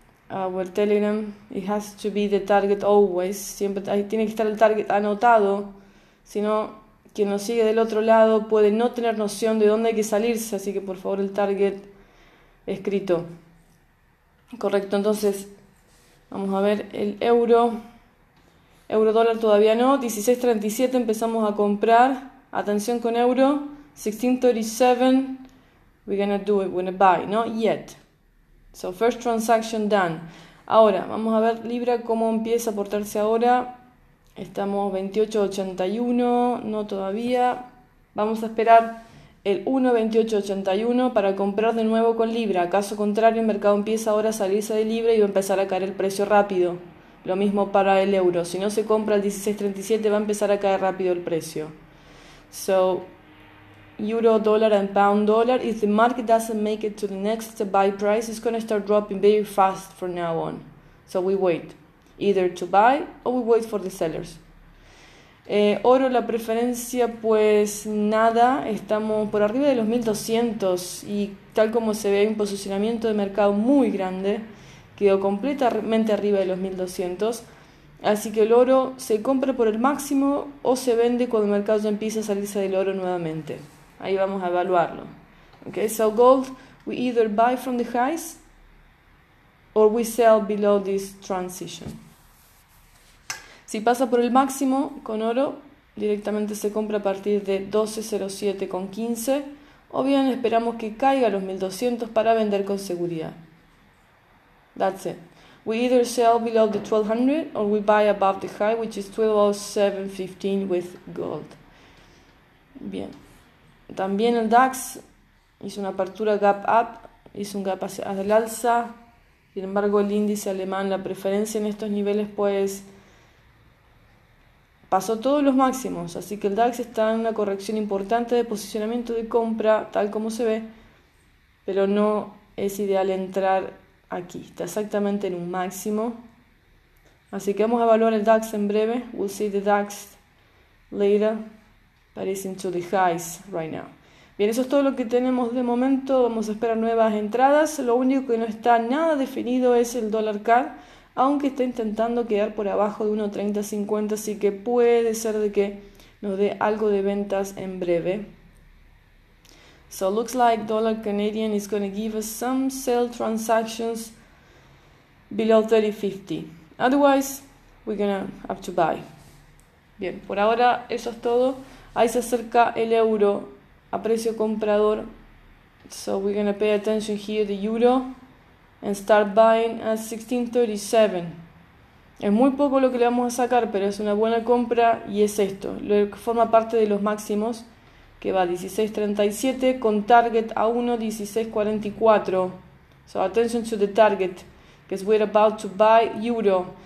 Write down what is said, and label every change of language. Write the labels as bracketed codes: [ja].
[en] Our Telegram, it has to be the target always. [es] Siempre ahí tiene que estar el target anotado. Si no, quien nos sigue del otro lado puede no tener noción de dónde hay que salirse. Así que por favor, el target escrito. Correcto, entonces. Vamos a ver el euro. Eurodólar todavía no. 16.37 empezamos a comprar. Atención con euro. [en] 16.37. We're gonna do it. We're gonna buy. Not yet. So first transaction done. [es] Ahora, vamos a ver Libra cómo empieza a portarse ahora. Estamos 28.81. No todavía. Vamos a esperar el 1.2881 para comprar de nuevo con Libra. Caso contrario, el mercado empieza ahora a salirse de Libra y va a empezar a caer el precio rápido. Lo mismo para el euro. Si no se compra el 16.37, va a empezar a caer rápido el precio. [en] So, euro, dólar, and pound, dólar. If the market doesn't make it to the next buy price, it's going to start dropping very fast from now on. So, we wait. Either to buy or we wait for the sellers. [es] Oro, la preferencia, pues nada, estamos por arriba de los 1200 y tal como se ve, hay un posicionamiento de mercado muy grande, quedó completamente arriba de los 1200. Así que el oro se compra por el máximo o se vende cuando el mercado ya empieza a salirse del oro nuevamente. Ahí vamos a evaluarlo. [en] Okay, so gold, we either buy from the highs or we sell below this transition. [es] Si pasa por el máximo con oro, directamente se compra a partir de 12.07 con 15, o bien esperamos que caiga a los 1200 para vender con seguridad. [en] That's it. We either sell below the 1200 or we buy above the high, which is 12.0715 with gold. [es] Bien. También el DAX hizo una apertura gap up, hizo un gap hacia el alza. Sin embargo, el índice alemán, la preferencia en estos niveles, pues pasó todos los máximos, así que el DAX está en una corrección importante de posicionamiento de compra, tal como se ve, pero no es ideal entrar aquí, está exactamente en un máximo. Así que vamos a evaluar el DAX en breve. [en] We'll see the DAX later, but it's into the highs right now. [es] Bien, eso es todo lo que tenemos de momento, vamos a esperar nuevas entradas. Lo único que no está nada definido es el dólar CAD, aunque está intentando quedar por abajo de 1.3050, así que puede ser de que nos dé algo de ventas en breve. [en] So looks like dollar Canadian is going to give us some sell transactions below 3050. Otherwise, we're going to have to buy. [es] Bien, por ahora eso es todo. Ahí se acerca el euro a precio comprador. [en] So we're going to pay attention here the euro. And start buying at 16.37. [es] Es muy poco lo que le vamos a sacar, pero es una buena compra y es esto, lo que forma parte de los máximos, que va 16.37 con target a 1.1644. [en] So attention to the target, because we're about to buy euro.